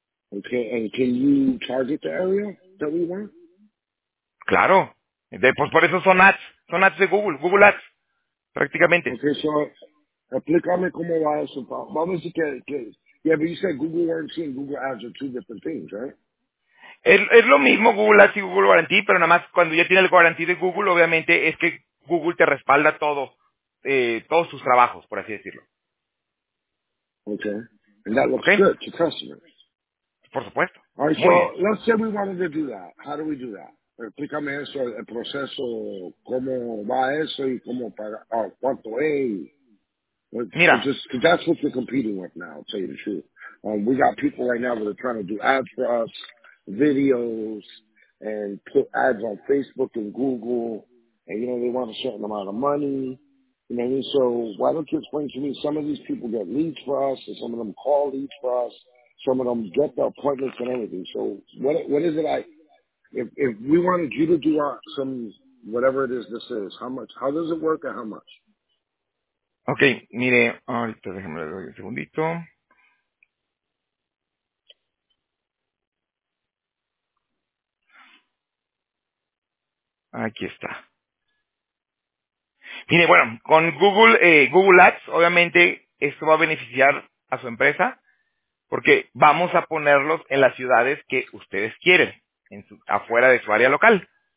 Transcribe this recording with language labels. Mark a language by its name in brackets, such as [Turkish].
[English] Okay, and can you target the area that we want? [Spanish] Claro. Pues por eso son ads. Son ads de Google. Google Ads. Prácticamente. Okay, so explícame cómo va eso. Vamos a decir que... [English] Yeah, but you said Google Warranty and Google Ads are two different things, right? [Spanish] Es lo mismo Google Ads y Google Guarantee, pero nada más cuando ya tiene el Guarantee de Google, obviamente es que Google te respalda todo, todos sus trabajos, por así decirlo. [English] Okay. And that looks good to customers. [Spanish] Por supuesto. [English] All right, so let's say we wanted to do that. How do we do that? [Spanish] Explícame eso, el proceso, cómo va eso y cómo para, cuánto es. Mira. [English] Just, that's what you're competing with now, to tell you the truth. We got people right now that are trying to do ads for us, videos, and put ads on Facebook and Google, and you know they want a certain amount of money, you know what I mean? So why don't you explain to me, some of these people get leads for us, and some of them call leads for us, some of them get the appointments and everything. So what is it, if we wanted you to do some whatever it is, this is how much, how does it work and how much? [Spanish] Okay, mire, ahorita déjame le doy un segundito. Aquí está. Mire, bueno, con Google, Google Ads, obviamente esto va a beneficiar a su empresa porque vamos a ponerlos en las ciudades que ustedes quieren, afuera de su área local.